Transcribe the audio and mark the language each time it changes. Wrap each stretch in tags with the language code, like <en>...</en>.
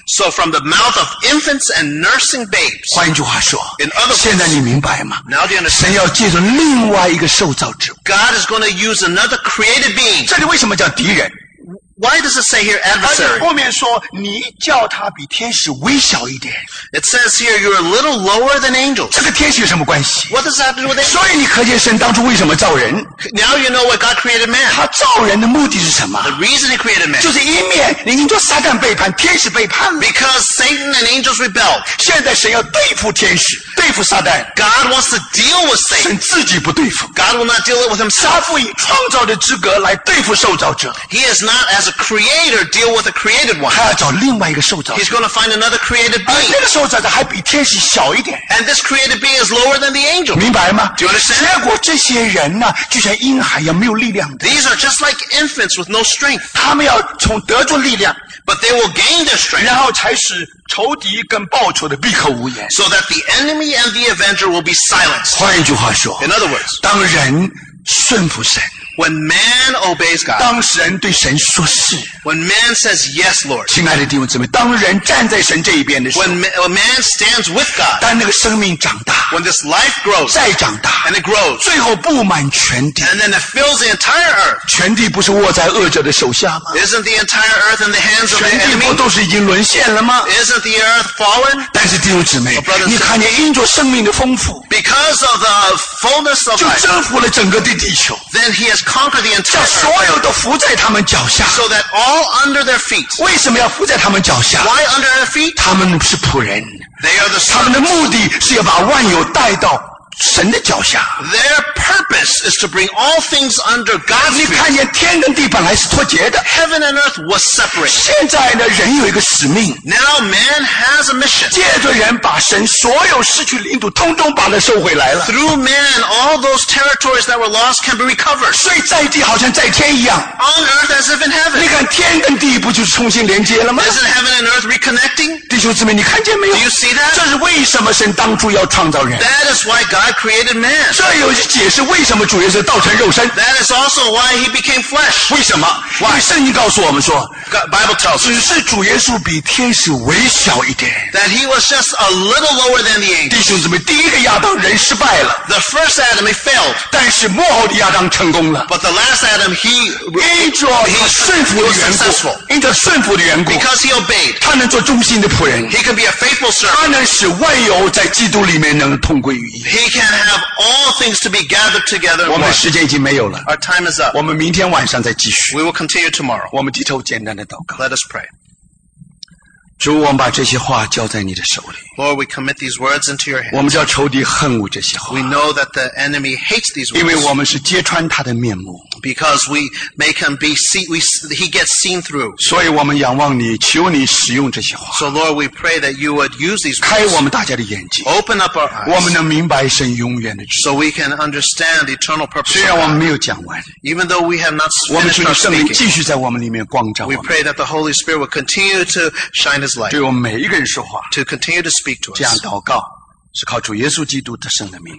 <en>So from the mouth of infants and nursing babes.</en> <zh>换句话说</zh> <en>In other words,</en> <zh>现在你明白吗</zh> <en>Now do you understand?</en> <zh>神要借着另外一个受造之物</zh> <en>God is going to use another created being.</en> <zh>这里为什么叫敌人</zh> <en>Why does it say here adversary?</en> <zh>而且后面说你叫他比天使微小一点</zh> <en>It says here you're a little lower than angels.</en> <zh>这个天使有什么关系</zh> <en>What does that have to do with angels?</en> <zh>所以你可见神当初为什么造人</zh> <en>Now you know what God created man.</en> <zh>他造人的目的是什么</zh> <en>The reason he created man.</en> <zh>就是一面你已经做撒旦背叛天使背叛了</zh> <en>Because Satan and angels rebelled.</en> <zh>现在神要对付天使对付撒旦</zh> <en>God wants to deal with Satan.</en> <zh>神自己不对付</zh> <en>God will not deal with himself.</en> <zh>他不以创造的资格来对付受造者</zh> <en>He is not as a creator deal with a created one.</en> <zh>他要找另外一个受造者</zh> <en>He's going to find another created being.</en> <zh>那个受造者还比天使小一点</zh> <en>And this created being is lower than the angel.</en> <zh>明白吗</zh> <en>Do you understand?</en> <zh>结果这些人呢就像婴孩一样没有力量的</zh> <en>These are just like infants with no strength.</en> <zh>他们要从得着力量</zh> <en>But they will gain their strength.</en> <zh>然后才使仇敌跟报仇的闭口无言</zh> <en>So that the enemy and the avenger will be silenced.</en> <zh>换一句话说</zh> <en>In other words,</en> <zh>当人顺服神</zh> <en>When man obeys God,</en> <zh>当神对神说是</zh> <en>When man says yes, Lord,</en> <zh>亲爱的弟兄姊妹，当人站在神这一边的时候</zh> <en>When man stands with God,</en> <zh>当那个生命长大</zh> <en>When this life grows,</en> <zh>再长大</zh> <en>And it grows,</en> <zh>最后布满全地</zh> <en>And then it fills the entire earth,</en> <zh>全地不是握在恶者的手下吗</zh> <en>Isn't the entire earth in the hands of the enemy?</en> <zh>全地不都是已经沦陷了吗</zh> <en>Isn't the earth fallen?</en> <zh>但是弟兄姊妹，你看见因着生命的丰富</zh> <en>Because of the fullness of life,</en> <zh>就征服了整个的地球</zh> <en>Then he has conquer the entire earth</en> <zh>叫所有都伏在他们脚下</zh> <en>so that all under their feet</en> <zh>为什么要伏在他们脚下</zh> <en>why under their feet</en> <zh>他们是仆人</zh> <en>they are the servants</en> <zh>他们的目的是要把万有带到神的脚下</zh> <en>their purpose is to bring all things under God's feet</en> <zh>你看见天跟地本来是脱节的</zh> <en>heaven and earth was separate</en> <zh>现在呢人有一个使命</zh> <en>now man has a mission</en> <zh>借着人把神所有失去领土通通把它收回来了</zh> <en>through man all those territories that were lost can be recovered</en> <zh>所以在地好像在天一样</zh> <en>on earth as if in heaven</en> <zh>你看天跟地不就是重新连接了吗</zh> <en>isn't heaven and earth reconnecting</en> <zh>弟兄姊妹你看见没有</zh> <en>do you see that</en> <zh>这是为什么神当初要创造人</zh> <en>that is why God created man.</en> <zh>这又解释为什么主耶稣道成肉身。</zh> <en>That is also why he became flesh.</en> <zh>为什么？</zh> <en>Why?</en> <zh>因为圣经告诉我们说</zh> <en>God, Bible tells us.</en> <zh>只是主耶稣比天使微小一点。</zh> <en>That he was just a little lower than the angels.</en> <zh>弟兄姊妹，第一个亚当人失败了。</zh> <en>The first Adam, he failed.</en> <zh>但是末后的亚当成功了。</zh> <en>But the last Adam, he successful.</en> <zh>因着顺服的缘故。</zh> <en>Because he obeyed.</en> <zh>他能做忠心的仆人。</zh> <en>He can be a faithful servant.</en> <zh>他能使万有在基督里面能同归于一。</zh> <en>Can have all things to be gathered together.</en> <zh>我们时间已经没有了。</zh> <en>Our time is up.</en> <zh>我们明天晚上再继续。</zh> <en>We will continue tomorrow.</en> <zh>我们低头简单的祷告。</zh> <en>Let us pray.</en> <zh>主，我们把这些话交在你的手里。</zh> <en>Lord, we commit these words into your hands.</en> <zh>我们叫仇敌恨恶这些话。</zh> <en>We know that the enemy hates these words.</en> <zh>因为我们是揭穿他的面目。</zh> <en>Because we make him be seen, he gets seen through.</en> <zh>所以我们仰望你，求你使用这些话。</zh> <en>So Lord, we pray that you would use these words.</en> <zh>开我们大家的眼睛。</zh> <en>Open up our eyes.</en> <zh>我们能明白神永远的旨意。</zh> <en>So we can understand the eternal purpose.</en> <zh>虽然我们没有讲完。</zh> <en>Even though we have not finished our speaking.</en> <zh>我们求你圣灵继续在我们里面光照我们。</zh> <en>We pray that the Holy Spirit will continue to shine his light.</en> <zh>对我们每一个人说话。</zh> <en>To continue to speak to us.</en> <zh>这样祷告，是靠主耶稣基督的圣的名。</zh>